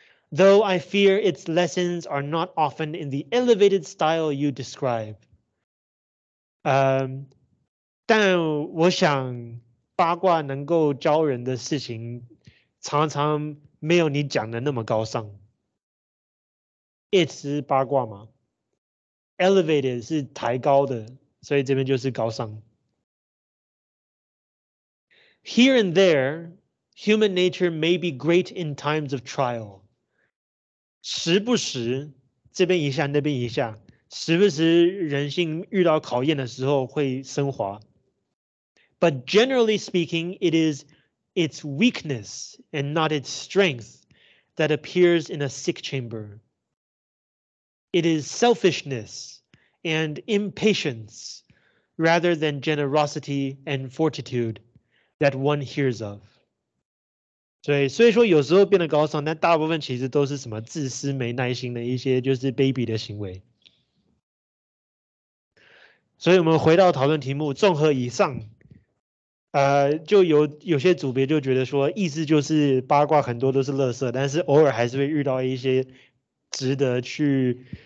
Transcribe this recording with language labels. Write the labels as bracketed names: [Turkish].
[English] Though I fear its lessons are not often in the elevated style you describe。 [Chinese] 但我想八卦能够教人的事情常常没有你讲的那么高尚。 It 是八卦吗？Elevated 是抬高的，所以这边就是高尚。 [English] Here and there, human nature may be great in times of trial. [Chinese] 时不时，这边一下那边一下，时不时人性遇到考验的时候会升华。 [English] But generally speaking, it is its weakness and not its strength that appears in a sick chamber. It is selfishness and impatience rather than generosity and fortitude that one hears of. [Chinese] 所以说有时候变得高尚，但大部分其实都是什么自私、没耐心的一些就是卑鄙的行为。所以我们回到讨论题目，综合以上。就有些组别就觉得说，意思就是八卦很多都是垃圾，但是偶尔还是会遇到一些值得去